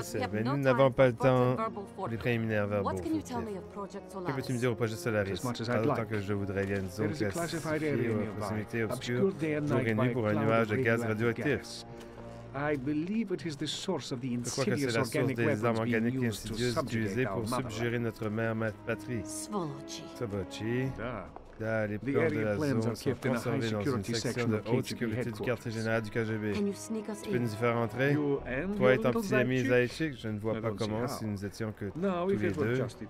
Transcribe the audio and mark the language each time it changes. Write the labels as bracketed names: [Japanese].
[French] sais, mais nous n'avons pas le temps des préliminaires verbaux. Que peux-tu me dire au projet Solaris? Pas autant que je voudrais, il y a une zone classifiée aux proximités obscures, jour et nuit pour un nuage de gaz radioactif. [English] I believe it is the source of the insidious organic weapons being used to subjugate our motherland. [French] Notre mère, patrie. [Russian] Svolochi. Da. [French] Da, les plans de la zone sont conservés dans une section de haute sécurité du quartier général du KGB. Tu peux nous y faire entrer? Toi et ton petit ami Zaychik, je ne vois pas comment si nous étions que tous les deux.